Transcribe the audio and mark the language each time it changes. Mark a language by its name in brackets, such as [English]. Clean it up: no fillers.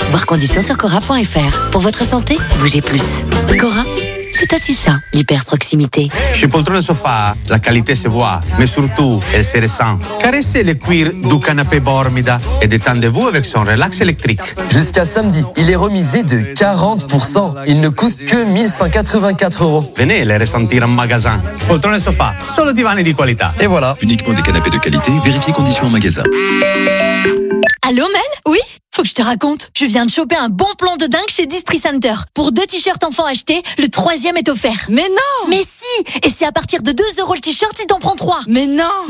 [French] Voir conditions sur cora.fr. Pour votre santé, bougez plus. Cora, c'est aussi ça, l'hyper-proximité. Chez Poltrone Sofa, la qualité se voit, mais surtout, elle se ressent. Caressez le cuir du canapé Bormida et détendez-vous avec son relax électrique. Jusqu'à samedi, il est remisé de 40%. Il ne coûte que 1 184 €. Venez les ressentir en magasin. [Italian] Poltrone Sofa, solo divani di qualità. [French] Et voilà. Uniquement des canapés de qualité, vérifiez conditions en magasin. Allô, Mel ? Oui ? Faut que je te raconte. Je viens de choper un bon plan de dingue chez Distri Center. Pour deux t-shirts enfants achetés, le troisième est offert. Mais non ! Mais si ! Et c'est à partir de 2 € le t-shirt, il t'en prend 3. Mais non !